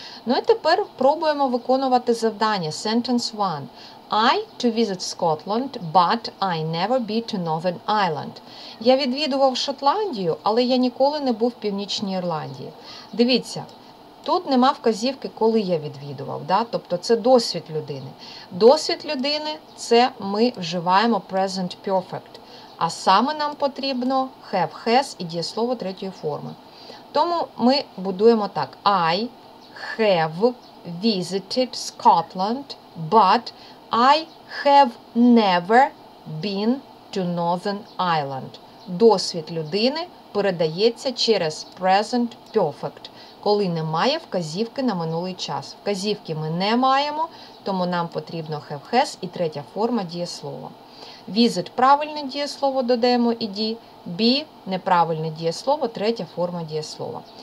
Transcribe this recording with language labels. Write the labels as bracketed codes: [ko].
[uk] Ну і тепер пробуємо виконувати завдання. [en] Sentence 1. I to visit Scotland, but I never been to Northern Ireland. [uk] Я відвідував Шотландію, але я ніколи не був в Північній Ірландії. Дивіться, тут нема вказівки, коли я відвідував, да? Тобто це досвід людини. Досвід людини – це ми вживаємо present perfect. А саме нам потрібно have, has і дієслово третьої форми. Тому ми будуємо так. [en] I have visited Scotland, but I have never been to Northern Ireland. [uk] Досвід людини передається через present perfect, коли немає вказівки на минулий час. Вказівки ми не маємо, тому нам потрібно have, has і третя форма дієслова. Visit – правильне дієслово, додаємо ed. Be – неправильне дієслово, третя форма дієслова.